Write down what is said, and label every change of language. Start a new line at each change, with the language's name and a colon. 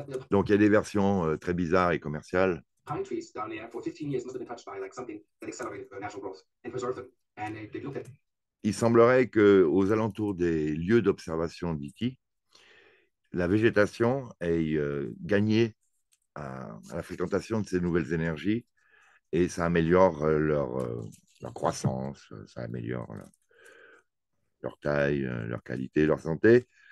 French: Donc il y a des versions très bizarres et commerciales.
English: Pine trees down there for 15 years must have been touched by like something that accelerated natural growth and preserved them. And they looked at.
French: Il semblerait qu'aux alentours des lieux d'observation d'ITI, la végétation ait gagné à la fréquentation de ces nouvelles énergies et ça améliore leur croissance, ça améliore leur taille, leur qualité, leur santé.